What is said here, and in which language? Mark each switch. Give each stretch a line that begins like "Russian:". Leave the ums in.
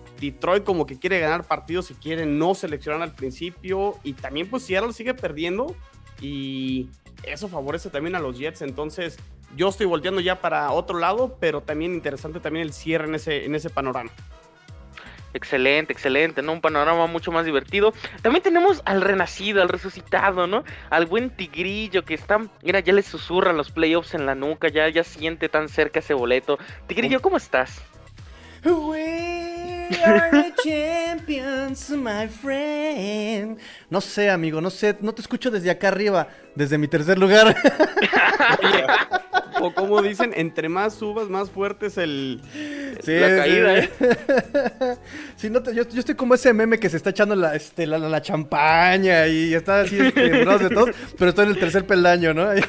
Spanish: Detroit como que quiere ganar partidos y quiere no seleccionar al principio y también pues Seattle sigue perdiendo y eso favorece también a los Jets, entonces yo estoy volteando ya para otro lado, pero también interesante también el cierre en ese, en ese panorama. Excelente, excelente, ¿no? Un panorama mucho más divertido. También tenemos al renacido, al resucitado, ¿no? Al buen tigrillo que está, mira, ya le susurran los playoffs en la nuca, ya, ya siente tan cerca ese boleto. Tigrillo, ¿cómo estás?
English: We are the champions, my friend.
Spanish: No sé, amigo, no sé, no te escucho desde acá arriba, desde mi tercer lugar. Oye, o como dicen, entre más subas, más fuerte es el... Sí, La caída, sí. Sí, no te- yo, yo estoy como ese meme que se está echando la, este, la, la- la champaña y está así este, burlándose de todos, pero estoy en el tercer peldaño, ¿no?